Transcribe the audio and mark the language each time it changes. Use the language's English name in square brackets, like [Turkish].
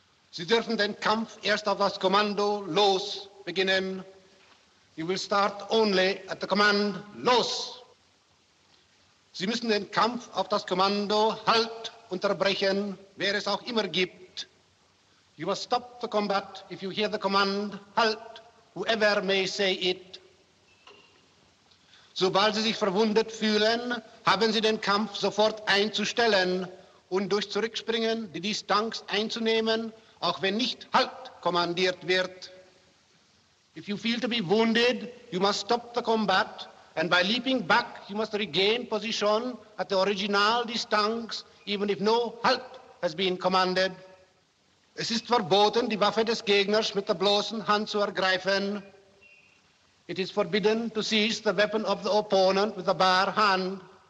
[German] Sie dürfen den Kampf erst auf das Kommando los beginnen. [English] You will start only at the command los. [German] Sie müssen den Kampf auf das Kommando halt unterbrechen, wer es auch immer gibt. [English] You must stop the combat if you hear the command halt, whoever may say it. [German] Sobald Sie sich verwundet fühlen, haben Sie den Kampf sofort einzustellen und durch Zurückspringen die Distanz einzunehmen, auch wenn nicht Halt kommandiert wird. [English] If you feel to be wounded, you must stop the combat and by leaping back, you must regain position at the original Distanz, even if no Halt has been commanded. [German] Es ist verboten, die Waffe des Gegners mit der bloßen Hand zu ergreifen. [English] It is forbidden to seize the weapon of the opponent with a bare hand.